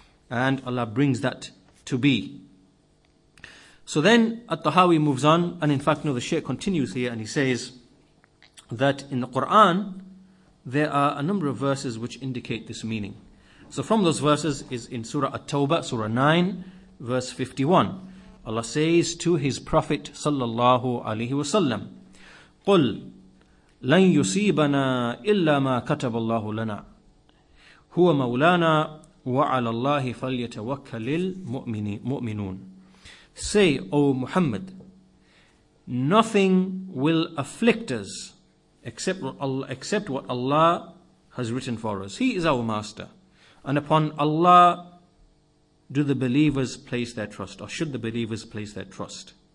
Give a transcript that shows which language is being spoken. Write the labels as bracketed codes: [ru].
[en] And Allah brings that to be. So then At-Tahawi moves on, and in fact, no, the Shaykh continues here, and he says that in the Quran, there are a number of verses which indicate this meaning. So from those verses is in Surah At-Tawbah, Surah 9, verse 51. Allah says to his Prophet, sallallahu alayhi wa sallam, [ar] قُلْ لَنْ يُصِيبَنَا إِلَّا مَا كَتَبَ اللَّهُ لَنَا هُوَ مَوْلَانَا وَعَلَى اللَّهِ فَلْيَتَوَكَّلِ الْمُؤْمِنُونَ. [en] Say, O Muhammad, nothing will afflict us except what Allah has written for us. He is our master. And upon Allah do the believers place their trust, or should the believers place their trust.